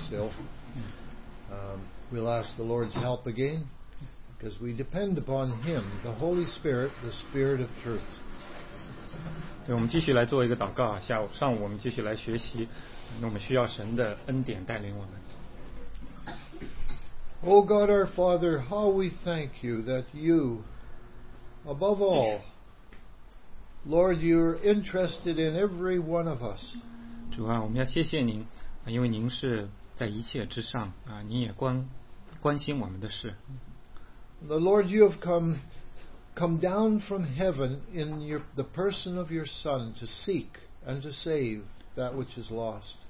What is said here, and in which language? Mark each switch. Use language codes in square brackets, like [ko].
[en] Still, we'll ask the Lord's help again. Because we depend upon Him, the Holy Spirit, the Spirit of Truth. [zh] 对，我们继续来做一个祷告啊。上午我们继续来学习，那我们需要神的恩典带领我们。 [en] O God, our Father, how we thank you that you, above all, Lord, you are interested in every one of us. [zh] 主啊，我们要谢谢您，因为您是在一切之上啊，您也关心我们的事。 [en] The Lord, you have come down from heaven in the person of your Son to seek and to save that which is lost.